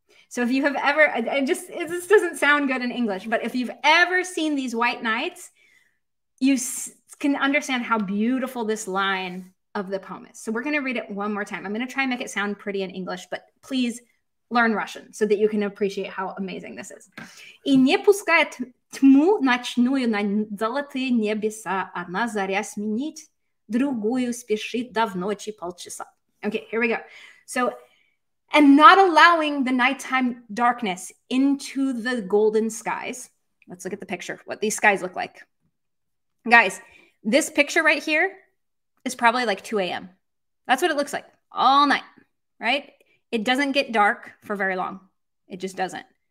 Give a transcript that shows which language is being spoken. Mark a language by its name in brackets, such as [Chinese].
[English] So if you have ever, this doesn't sound good in English, but if you've ever seen these white knights, you can understand how beautiful this line of the poem is. So we're going to read it one more time. I'm going to try and make it sound pretty in English, but please learn Russian so that you can appreciate how amazing this is. [Russian] И не пускает тьму ночную на золотые небеса, одна заря сменить другую спешит да в ночи полчаса. [English] Okay, here we go. So, and not allowing the nighttime darkness into the golden skies. Let's look at the picture, what these skies look like. Guys, this picture right here is probably like 2 a.m. That's what it looks like all night, right? It doesn't get dark for very long. It just doesn't.